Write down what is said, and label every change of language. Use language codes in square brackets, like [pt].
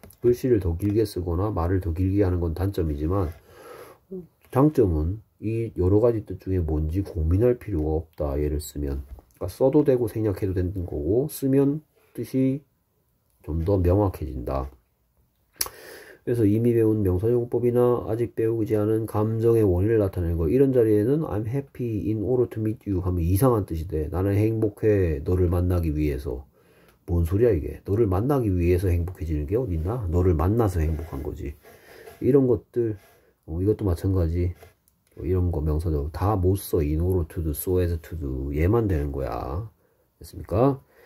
[ko] 글씨를 더 길게 쓰거나 말을 더 길게 하는 건 단점이지만, 장점은 이 여러 가지 뜻 중에 뭔지 고민할 필요가 없다. 얘를 쓰면. 그러니까 써도 되고 생략해도 되는 거고, 쓰면 뜻이 좀더 명확해진다. 그래서 이미 배운 명사용법이나 아직 배우지 않은 감정의 원인을 나타내는 거. [en] 이런 자리에는 I'm happy in order to meet you [ko] 하면 이상한 뜻이 돼. 나는 행복해. 너를 만나기 위해서. 뭔 소리야, 이게? 너를 만나기 위해서 행복해지는 게 어딨나? 너를 만나서 행복한 거지. 이런 것들, 이것도 마찬가지. 이런 거 명사적으로 다못 써. [en] In order to do, so as to do. [ko] 얘만 되는 거야. 됐습니까?